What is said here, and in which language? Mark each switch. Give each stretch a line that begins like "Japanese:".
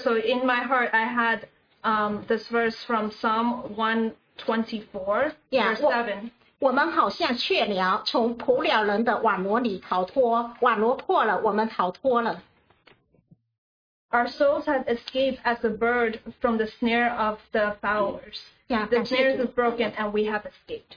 English: So in my heart, I had this verse from Psalm 124:7.
Chinese: 我们好像雀鸟从捕鸟人的网罗里逃脱，网罗破了，我们逃脱了。
English: Our souls have escaped as a bird from the snare of the fowlers. Yeah, the snare is broken and we have escaped.